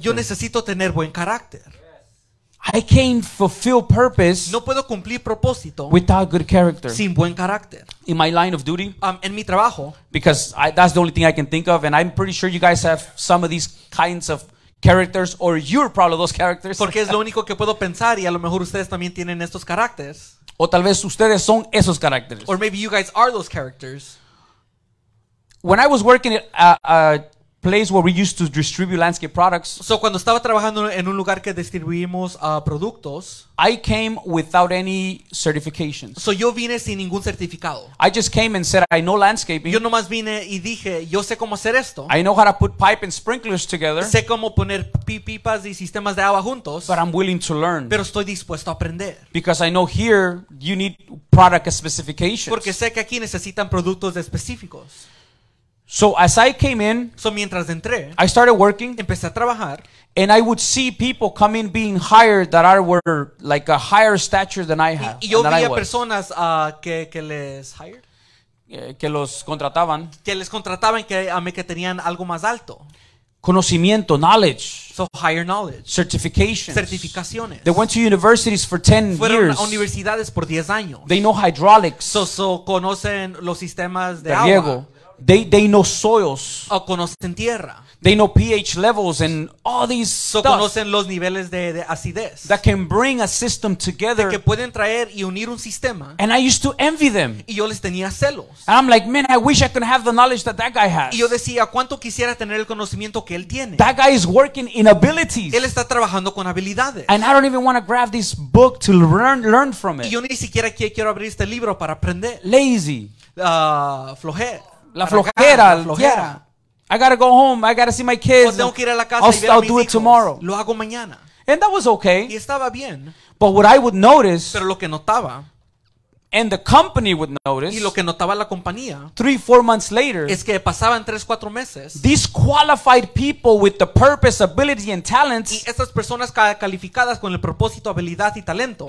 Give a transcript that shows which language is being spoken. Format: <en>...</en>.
<es>Yo necesito tener buen carácter.</es> <en>I can't fulfill purpose.</en> <es>No puedo cumplir propósito</es> <en>without good character.</en> <es>Sin buen carácter.</es> <en>In my line of duty,</en> <es>en mi trabajo,</es> <en>because that's the only thing I can think of, and I'm pretty sure you guys have some of these kinds of characters, or you're probably those characters.</en> <es>Porque es lo único que puedo pensar, y a lo mejor ustedes también tienen estos caracteres. O tal vez ustedes son esos caracteres.</es> <en>Or maybe you guys are those characters. When I was working at a place where we used to distribute landscape products,</en> <es>so cuando estaba trabajando en un lugar que distribuimos productos,</es> <en>I came without any certifications.</en> <es>So yo vine sin ningún certificado.</es> <en>I just came and said I know landscaping.</en> <es>Yo nomás vine y dije yo sé cómo hacer esto.</es> <en>I know how to put pipe and sprinklers together.</en> <es>Sé cómo poner pipas y sistemas de agua juntos.</es> <en>But I'm willing to learn.</en> <es>Pero estoy dispuesto a aprender.</es> <en>Because I know here you need product specifications.</en> <es>Porque sé que aquí necesitan productos específicos.</es> <en>So as I came in,</en> <es>so mientras entré,</es> <en>I started working,</en> <es>empecé a trabajar,</es> <en>and I would see people come in being hired that are were like a higher stature than I have.</en> <es>Y yo vi personas que les hired, que los contrataban, que les contrataban que a mí que tenían algo más alto. Conocimiento, knowledge.</es> <en>So higher knowledge. Certifications.</en> <es>Certificaciones.</es> <en>They went to universities for 10</en> <es>Fueron</es> <en>years.</en> <es>A universidades por 10 años.</es> <en>They know hydraulics.</en> <es>So conocen los sistemas de agua.</es> <en>Riego. They know soils.</en> <es>O conocen tierra.</es> <en>They know pH levels and all these so stuff.</en> <es>Conocen los niveles de acidez.</es> <en>That can bring a system together.</en> <es>De que pueden traer y unir un sistema.</es> <en>And I used to envy them.</en> <es>Y yo les tenía celos.</es> <en>And I'm like, man, I wish I could have the knowledge that guy has.</en> <es>Y yo decía, ¿cuánto quisiera tener el conocimiento que él tiene?</es> <en>That guy is working in abilities.</en> <es>Él está trabajando con habilidades.</es> <en>And I don't even want to grab this book to learn from it.</en> <es>Y yo ni siquiera quiero abrir este libro para aprender.</es> <en>Lazy.</en> <es>Flojera. La flojera,</es> <en>yeah. I gotta go home. I gotta see my kids.</en> <es>Tengo que ir a la casa</es> <en>I'll do</en> <es>hijos.</es> <en>It tomorrow.</en> <es>Lo hago mañana.</es> <en>And that was okay.</en> <es>Y estaba bien.</es> <en>But what I would notice.</en> <es>Pero lo que notaba.</es> <en>And the company would notice.</en> <es>Y lo que notaba la compañía.</es> <en>3-4 months later.</en> <es>Es que pasaban 3-4 meses.</es> <en>These qualified people with the purpose, ability, and talents.</en> <es>Y estas personas calificadas con el propósito, habilidad y talento.</es>